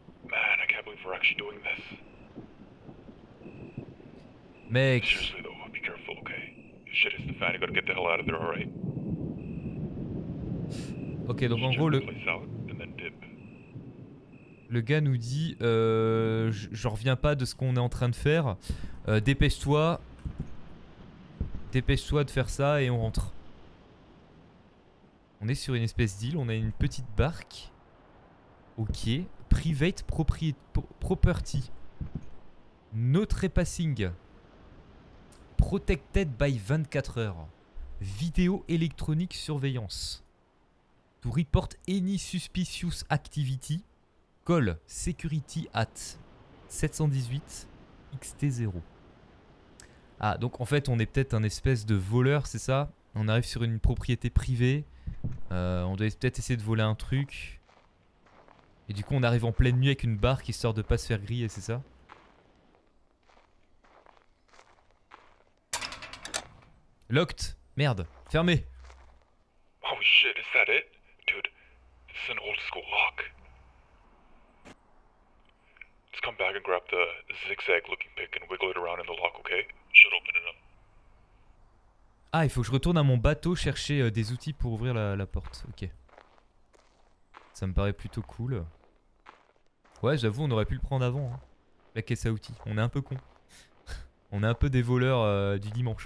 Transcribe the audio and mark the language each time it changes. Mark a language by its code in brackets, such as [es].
[en] Man, I can't believe we're actually doing this. [fr] Mec. [en] Seriously though, be careful, okay? Shit is the fan, you gotta get the hell out of there, alright? [fr] Ok, donc en [en] Check [fr] gros, [en] the place out and then dip. [fr] le gars nous dit, je reviens pas de ce qu'on est en train de faire. Dépêche-toi de faire ça et on rentre. On est sur une espèce d'île, on a une petite barque. Ok, [en] private property. No trespassing. Protected by [fr] 24 heures. Vidéo électronique surveillance. [en] To report any suspicious activity, call security at 718 XT0. [fr] Ah, donc en fait on est peut-être un espèce de voleur, c'est ça? On arrive sur une propriété privée, on doit peut-être essayer de voler un truc. Et du coup on arrive en pleine nuit avec une barque histoire de pas se faire griller, c'est ça? [en] Locked. [fr] Merde. Fermé. [en] Oh shit, is that it? It's an old school lock. Let's come back and grab the zigzag looking pick and wiggle it around in the lock, okay? Should open it up. [fr] Ah, il faut que je retourne à mon bateau chercher des outils pour ouvrir la porte. Ok. Ça me paraît plutôt cool. Ouais, j'avoue, on aurait pu le prendre avant. Hein. La caisse à outils. On est un peu con. On est un peu des voleurs du dimanche.